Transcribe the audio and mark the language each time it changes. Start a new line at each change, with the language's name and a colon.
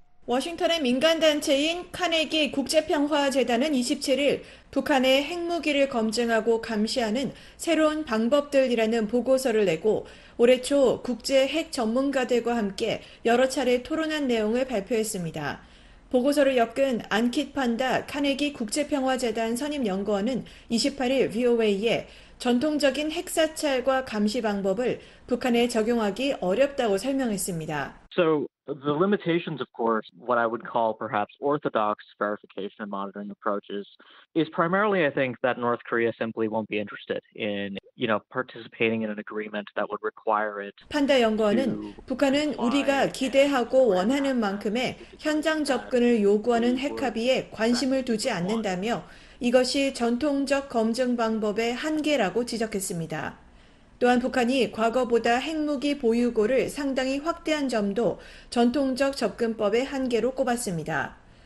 Korean: 워싱턴의 민간단체인 카네기 국제평화재단은 27일 북한의 핵무기를 검증하고 감시하는 새로운 방법들이라는 보고서를 내고 올해 초 국제 핵 전문가들과 함께 여러 차례 토론한 내용을 발표했습니다. 보고서를 엮은 안킷 판다 카네기 국제평화재단 선임연구원은 28일 VOA에 전통적인 핵사찰과 감시 방법을 북한에 적용하기 어렵다고 설명했습니다.
English: So the limitations, of course, what I would call perhaps orthodox verification and monitoring approaches, is primarily, I think, that North Korea simply won't be interested in, you know, participating in an agreement that would require it.
Korean: 판다 연구원은 북한은 우리가 기대하고 원하는 만큼의 현장 접근을 요구하는 핵합의에 관심을 두지 않는다며 이것이 전통적 검증 방법의 한계라고 지적했습니다. 또한 북한이 과거보다 핵무기 보유고를 상당히 확대한 점도 전통적 접근법의 한계로 꼽았습니다.